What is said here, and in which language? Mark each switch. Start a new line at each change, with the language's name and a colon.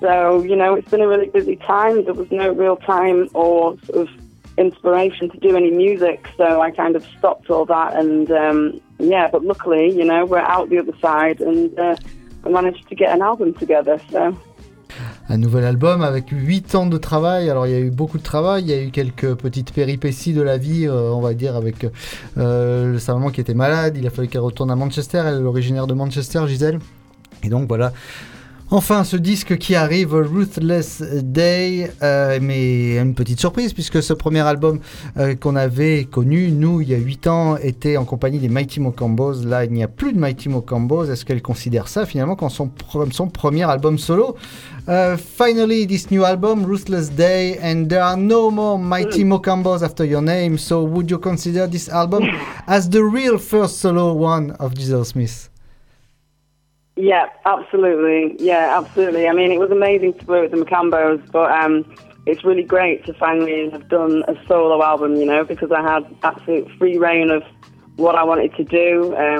English: So, you know, it's been a really busy time. There was no real time or sort of inspiration to do any music, so I kind of stopped all that. And, yeah, but luckily, you know, we're out the other side, and I managed to get an album together, so...
French: Un nouvel album avec 8 ans de travail. Alors il y a eu beaucoup de travail, il y a eu quelques petites péripéties de la vie, on va dire, avec sa maman qui était malade. Il a fallu qu'elle retourne à Manchester, elle est originaire de Manchester, Gisèle. Et donc voilà, enfin ce disque qui arrive, Ruthless Day, mais une petite surprise, puisque ce premier album qu'on avait connu, nous, il y a 8 ans, était en compagnie des Mighty Mocambos. Là, il n'y a plus de Mighty Mocambos. Est-ce qu'elle considère ça finalement comme son premier album solo?
English: Finally, this new album, Ruthless Day, and there are no more Mighty Mocambos after your name. So, would you consider this album as the real first solo one of Gisèle Smith? Yeah, absolutely. I mean, it was amazing to work with the Mocambos, but it's really great to finally have done a solo album, you know, because I had absolute free reign of what I wanted to do.